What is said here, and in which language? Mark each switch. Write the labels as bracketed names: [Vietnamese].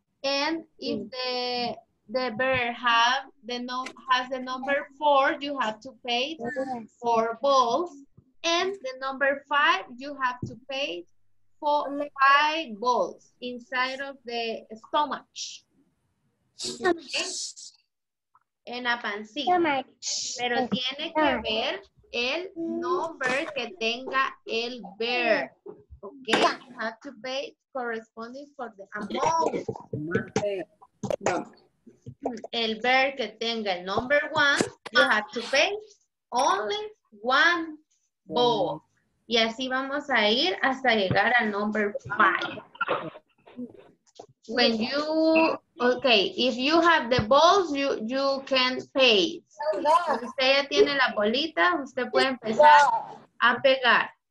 [English] And if the bird has the number four, you have to pay four balls. And the number five, you have to pay five balls inside of the stomach. [Spanish] Okay. En la pancita. Pero tiene que ver el number que tenga el bird. [English] Okay, you have to pay corresponding for the amount. [Spanish] El bird que tenga el [English] number one, you have to pay only one ball. [Spanish] Y así vamos a ir hasta llegar al number five. [English] When you, okay, if you have the balls, you can pay. [Spanish] Si usted ya tiene la bolita, usted puede empezar a pegar.